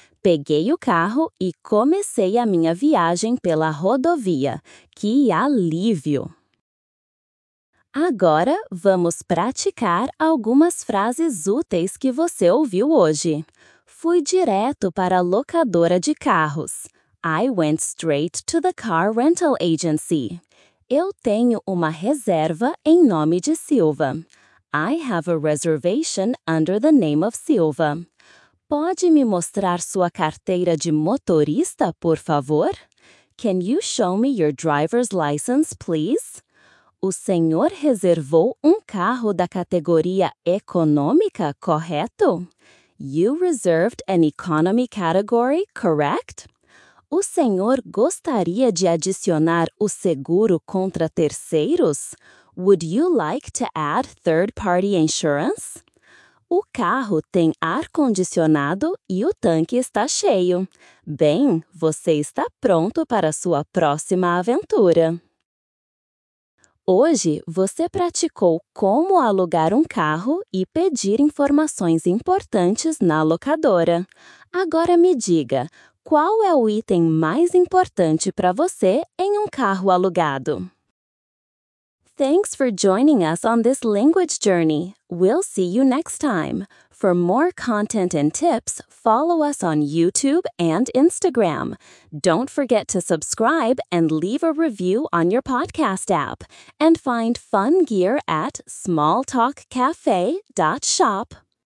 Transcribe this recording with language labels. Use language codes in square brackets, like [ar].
[pt] Peguei o carro e comecei a minha viagem pela rodovia. Que alívio! Agora, vamos praticar algumas frases úteis que você ouviu hoje. Fui direto para a locadora de carros. [en] I went straight to the car rental agency. [pt] Eu tenho uma reserva em nome de Silva. [en] I have a reservation under the name of Silva. [pt] Pode me mostrar sua carteira de motorista, por favor? [en] Can you show me your driver's license, please? [pt] O senhor reservou um carro da categoria econômica, correto? [en] You reserved an economy category, correct? [pt] O senhor gostaria de adicionar o seguro contra terceiros? [en] Would you like to add third-party insurance? [pt] O carro tem ar-condicionado e o tanque está cheio. Bem, você está pronto para a sua próxima aventura. Hoje, você praticou como alugar um carro e pedir informações importantes na locadora. Agora me diga, qual é o item mais importante para você em um carro alugado? [en] Thanks for joining us on this language journey. We'll see you next time. For more content and tips, follow us on YouTube and Instagram. Don't forget to subscribe and leave a review on your podcast app. And find fun gear at smalltalkcafe.shop.